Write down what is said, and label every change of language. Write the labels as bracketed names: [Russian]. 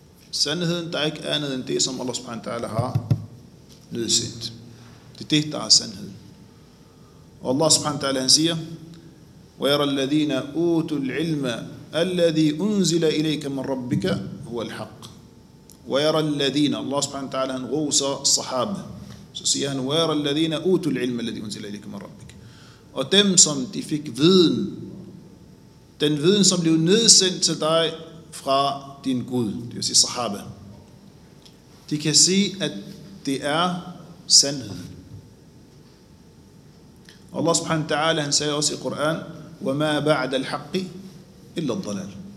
[Danish] Sandheden, der er ikke andet end det, som Allah subhanahu wa ta'ala har nødsendt. Det er det, der er sandhed. Og Allah subhanahu wa ta'ala, han siger, [Arabic] وَيَرَ الَّذِينَ أُوتُوا الْعِلْمَ الَّذِي أُنزِلَ إِلَيْكَ مِنْ رَبِّكَ هُوَ الْحَقِّ وَيَرَ الَّذِينَ [Danish] Allah subhanahu wa ta'ala, han roser sahabe. Så siger han, [Arabic] وَيَرَ الَّذِينَ أُوتُوا الْعِلْمَ الَّذِي أُنزِلَ إِلَيْكَ مِنْ رَبِّكَ. [Danish] Og dem, som de fik viden, den viden, som blev nedsendt til dig fra din Gud, det vil sige sahabe, de kan se, at det er sandhed. Allah subhanahu wa ta'ala, han sagde også i Koran, [Arabic] وَمَا بَعْدَ الْحَقِّ إِلَّا الضَّلَالِ.